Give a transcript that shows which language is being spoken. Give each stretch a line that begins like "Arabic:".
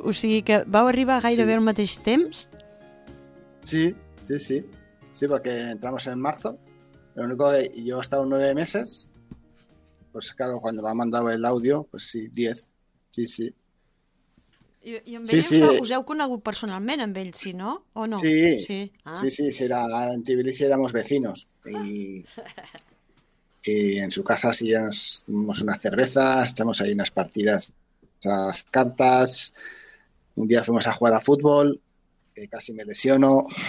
Catalan: O sigui que vau arribar gairebé al mateix temps?
Spanish: Sí, sí, sí. Sí,
Catalan: perquè
Spanish: entramos en marzo. Lo único que yo he estado 9 meses. Pues claro, cuando me ha mandado el audio, pues sí, 10. Sí, sí.
Catalan: I amb ell us heu conegut personalment, amb ell, si no, o no?
Spanish: Sí, sí, ah. sí, era, en Tbilisi éramos vecinos. Ah. Y en su casa sí, nos tomamos unas cervezas, echamos ahí unas partidas, esas cartas. Un día fuimos a jugar a fútbol, que casi me lesiono.